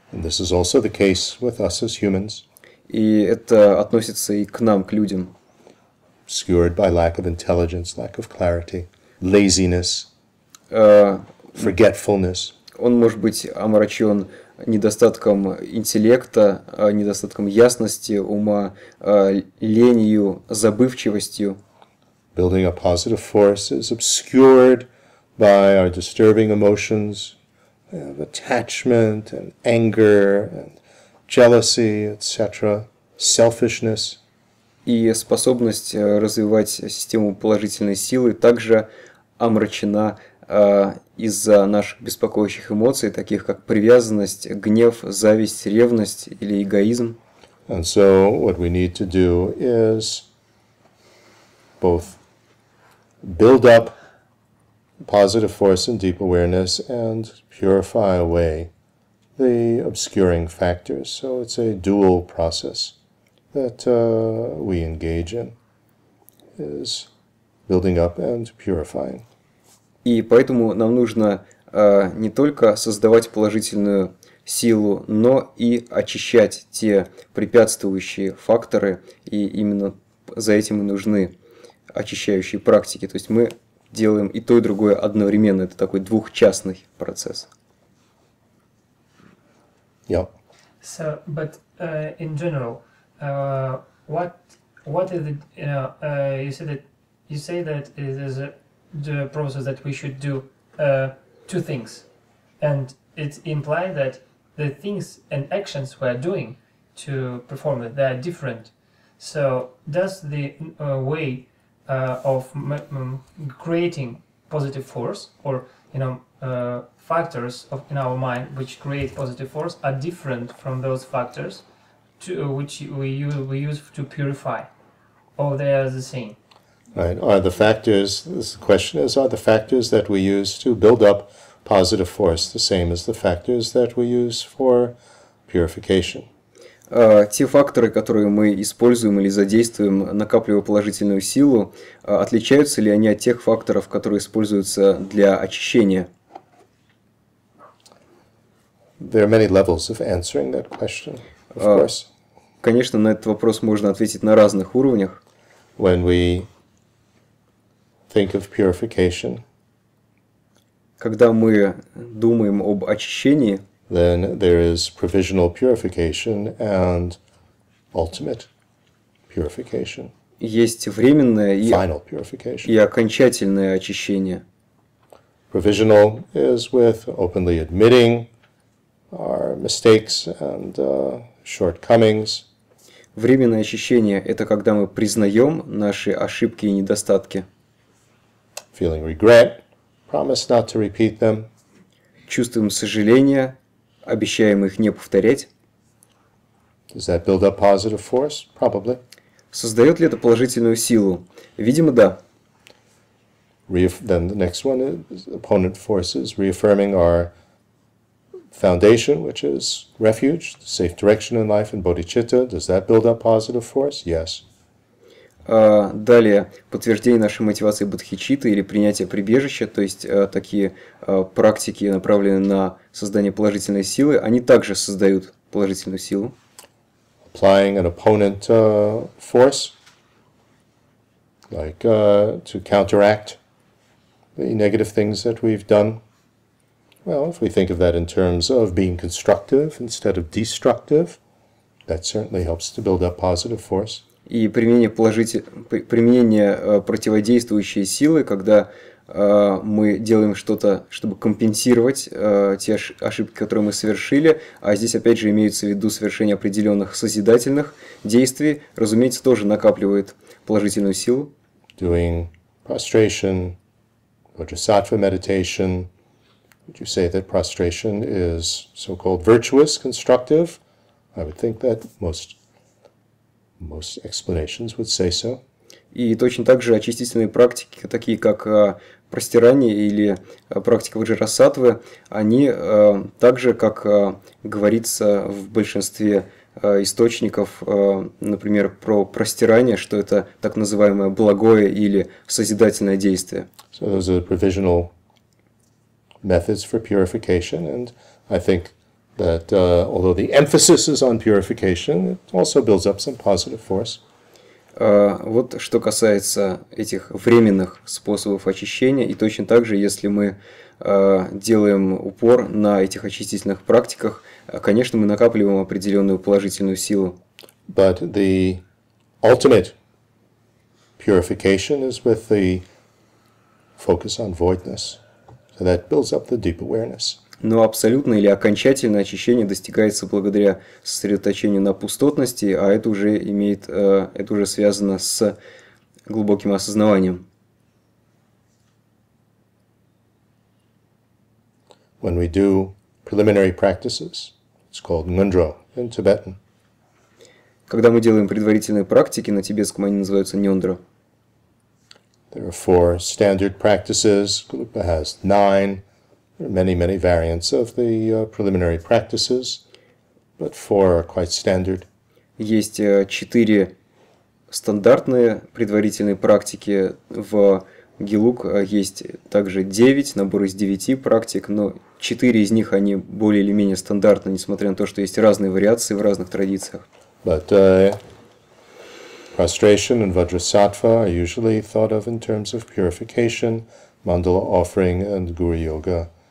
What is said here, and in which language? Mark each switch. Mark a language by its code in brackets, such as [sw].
[en] And this is also the case with us as humans. [ru] И это относится и к нам, к людям. [en] Obscured by lack of intelligence, lack of clarity, laziness, forgetfulness. [ru] Он может быть омрачен недостатком интеллекта, недостатком ясности, ума, ленью, забывчивостью. [en] Building a positive force is obscured by our disturbing emotions of attachment and anger and jealousy, etc., selfishness. [ru] И способность развивать систему положительной силы также омрачена из-за наших беспокоящих эмоций, таких как привязанность, гнев, зависть, ревность или эгоизм. [en] And so what we need to do is both build up positive force and deep awareness and purify away the obscuring factors. So it's a dual process that we engage in, is building up and purifying. [ru] И поэтому нам нужно не только создавать положительную силу, но и очищать те препятствующие факторы, и именно за этим и нужны очищающие практики. То есть мы делаем и то, и другое одновременно. Это такой двухчастный процесс. [en] Yeah. So, but in general, what is the you say that it is the process that we should do two things, and it implies that the things and actions we are doing to perform it, they are different. So, does the way of creating positive force, or you know, factors of in our mind which create positive force, are different from those factors to which we use to purify, or they are the same? Right. Are the factors, this question is, are the factors that we use to build up positive force the same as the factors that we use for purification? [ru] Те факторы, которые мы используем или задействуем, накапливая положительную силу, отличаются ли они от тех факторов, которые используются для очищения? [en] There are many levels of answering that question, of course. [ru] Конечно, на этот вопрос можно ответить на разных уровнях. [en] When we think of purification, [ru] когда мы думаем об очищении, [en] then there is provisional purification and ultimate purification. [ru] есть временное и, [en] final purification. [ru] И окончательное очищение. [en] Provisional is with openly admitting our mistakes and shortcomings. [ru] Временное очищение – это когда мы признаем наши ошибки и недостатки. [en] Feeling regret, promise not to repeat them. [ru] Чувствуем сожаление, обещаем их не повторять. [en] Does that build up positive force? Probably. [ru] Создает ли это положительную силу? Видимо, да. [en] Then the next one is opponent forces reaffirming our foundation, which is refuge, safe direction in life and bodhicitta. Does that build up positive force? Yes. [ru] Далее, подтверждение нашей мотивации бодхичитты или принятие прибежища, то есть такие практики, направленные на создание положительной силы, они также создают положительную силу. [en] Applying an opponent force, like to counteract the negative things that we've done. Well, if we think of that in terms of being constructive instead of destructive, that certainly helps to build up positive force. [ru] И применение противодействующей силы, когда мы делаем что-то, чтобы компенсировать те ошибки, которые мы совершили, а здесь опять же имеется в виду совершение определенных созидательных действий, разумеется, тоже накапливает положительную силу. [en] Doing prostration, bodhisattva meditation. Would you say that prostration is so-called virtuous, constructive? I would think that most explanations would say so. [ru] И точно так же очистительные практики, такие как простирание или практика ваджрасатвы, они также, как говорится в большинстве источников, например, про простирание, что это так называемое благое или созидательное действие. [en] So those are the provisional methods for purification, and I think that although the emphasis is on purification, it also builds up some positive force. [ru] Вот что касается этих временных способов очищения, и точно так же, если мы делаем упор на этих очистительных практиках, конечно, мы накапливаем определенную положительную силу. [en] But the ultimate purification is with the focus on voidness. So that builds up the deep awareness. [ru] Но абсолютное или окончательное очищение достигается благодаря сосредоточению на пустотности, а это уже имеет, это уже связано с глубоким осознаванием. [en] When we do preliminary practices, it's called ngundro in Tibetan. [ru] Когда мы делаем предварительные практики, на тибетском они называются ньондро. [en] There are four standard practices. Gelugpa has nine. There are many, many variants of the preliminary practices, but four are quite standard. [ru] Есть четыре стандартные предварительные практики в Гелуг. Есть также девять, набор из девяти практик, но четыре из них, они более или менее стандартны, несмотря на то, что есть разные вариации в разных традициях. [en] But prostration and vajrasattva are usually thought of in terms of purification, mandala offering and guru yoga.